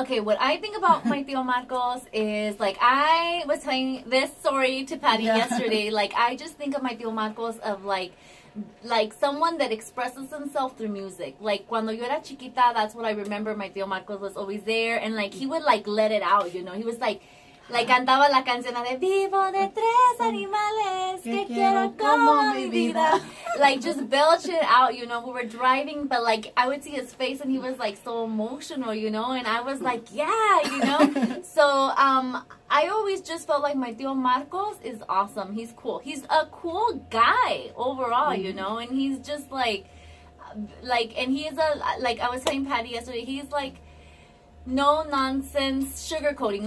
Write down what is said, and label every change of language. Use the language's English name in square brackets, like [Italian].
[English] Okay, what I think about my tío Marcos is, like, I was telling this story to Patty yesterday. Like, I just think of my tío Marcos of, like someone that expresses himself through music. Like, [Spanish] cuando yo era chiquita, [English] that's what I remember. My tío Marcos was always there. And, like, he would, like, let it out, you know? He was, like... Like, [Spanish] cantaba la canción de vivo de tres animales que quiero con mi vida. [English] Like, just belch it out, you know, we were driving, but, like, I would see his face and he was, like, so emotional, you know, and I was like, yeah, you know. So, I always just felt like my tío Marcos is awesome. He's cool. He's a cool guy overall, you know, and he's just, like, and he's a, like, I was telling Patty yesterday, he's, like, no nonsense sugarcoating.